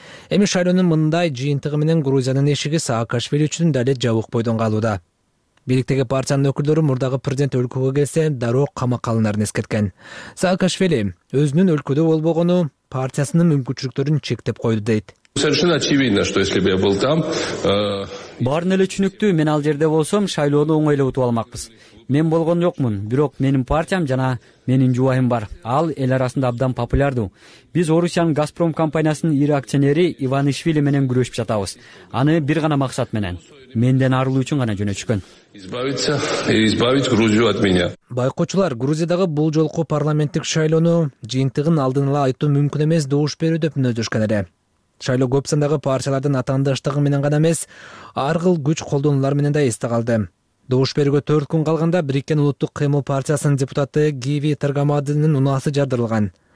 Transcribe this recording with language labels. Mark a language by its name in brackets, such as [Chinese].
[Kyrgyz] Эми шайлоонун мындай жыйынтыгы менен Грузиянын эшиги Саакашвили үчүн дале жабык бойдон калууда. Бийликтеги партиянын өкүлдөрү мурдагы президент өлкөгө келсе дароо камакка алынарын эскерткен. Саакашвили өзүнүн өлкөдө болбогону партиясынын мүмкүнчүлүктөрүн чектеп койду дейт. [Russian] Совершенно очевидно, что если бы я был там, [Kyrgyz] баарын эле түшүнүктүү, мен ал жерде болсом, шайлоону оңой эле утуп алмакпыз. Мен болгон жокмун, бирок менин партиям жана менин жубайым бар. Ал эл арасында абдан популярдуу. Биз Орусиянын Газпром компаниясынын ири акционери Иванишвили менен күрөшүп жатабыз. Аны бир гана максат менен: менден арылуу үчүн гана жөнөтүшкөн. [Russian] Избавить Грузию от меня. [Kyrgyz] Байкоочулар Грузиядагы бул жолку парламенттик шайлоону жыйынтыгын алдын ала айтуу мүмкүн эмес добуш берүү деп мүнөздөшкөн эле. Шайлоо көп сандагы партиялардын атаандаштыгы менен гана эмес, ар кыл күч колдонуулар менен да эсте калды. Добуш берүүгө 4 күн калганда Бириккен улуттук кыймыл партиясынын депутаты Гиви Таргамадзинин унаасы жардырылган.